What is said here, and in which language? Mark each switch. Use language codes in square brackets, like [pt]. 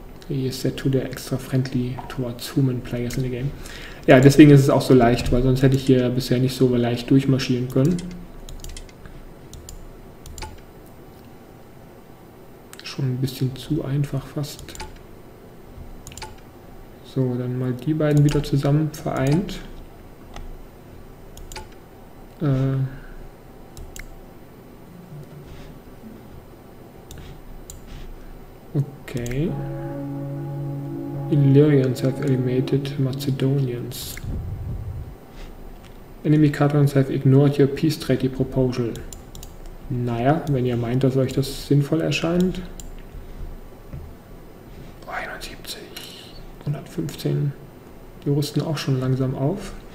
[en] He is set to the extra friendly towards human players in the game. [de] Ja, deswegen ist es auch so leicht, weil sonst hätte ich hier bisher nicht so leicht durchmarschieren können. Schon ein bisschen zu einfach fast. So, dann mal die beiden wieder zusammen vereint. [en] Okay. Illyrians have eliminated Macedonians. Enemy Catalans have ignored your peace treaty proposal. [de] Naja, wenn ihr meint, dass euch das sinnvoll erscheint. 71. 115. Die rüsten auch schon langsam auf.